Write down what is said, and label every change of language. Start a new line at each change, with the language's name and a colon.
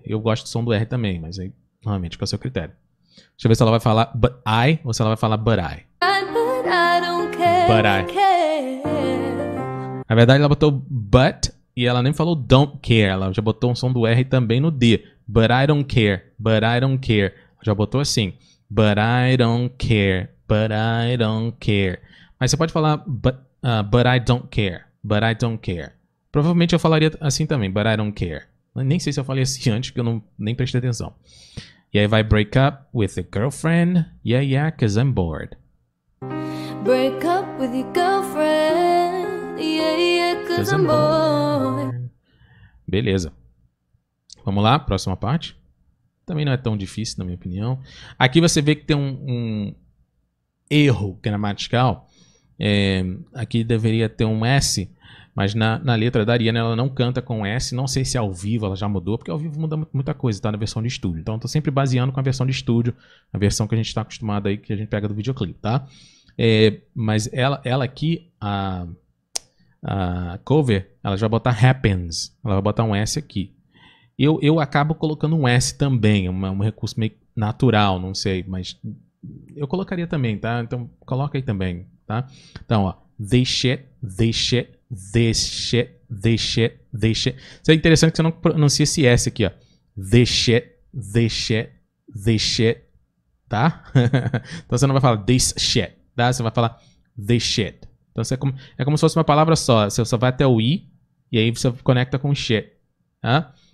Portuguese: Eu gosto do som do R também, mas aí, normalmente, fica a seu critério. Deixa eu ver se ela vai falar
English: but I
Portuguese: ou se ela vai falar but I.
English: But I don't care. But I.
Portuguese: Na verdade, ela botou but e ela nem falou don't care. Ela já botou um som do R também no D.
English: But I don't care. But I don't care.
Portuguese: Já botou assim.
English: But I don't care, but I don't care.
Portuguese: Mas você pode falar,
English: but I don't care, but I don't care.
Portuguese: Provavelmente eu falaria assim também,
English: but I don't care.
Portuguese: Nem sei se eu falei assim antes, porque eu não, nem prestei atenção. E aí vai
English: break up with a girlfriend, yeah, yeah, cause I'm bored. Break up with your girlfriend, yeah, yeah, cause I'm bored.
Portuguese: Beleza. Vamos lá, próxima parte. Também não é tão difícil, na minha opinião. Aqui você vê que tem um erro gramatical. É, aqui deveria ter um S, mas na letra da Ariana ela não canta com S. Não sei se ao vivo ela já mudou, porque ao vivo muda muita coisa, tá? Na versão de estúdio. Então eu tô sempre baseando com a versão de estúdio, a versão que a gente está acostumado aí, que a gente pega do videoclipe, tá? É, mas ela aqui, a cover, ela já vai botar happens. Ela vai botar um S aqui. Eu acabo colocando um S também, um recurso meio natural, não sei, mas eu colocaria também, tá? Então, coloca aí também, tá? Então, ó,
English: this shit, this shit, this shit, this shit, this shit.
Portuguese: Isso é interessante que você não pronuncia esse S aqui, ó.
English: This shit, this shit, this shit,
Portuguese: tá? Então, você não vai falar
English: this shit,
Portuguese: tá? Você vai falar this shit. Então, é como se fosse uma palavra só, você só vai até o I e aí você conecta com shit, tá?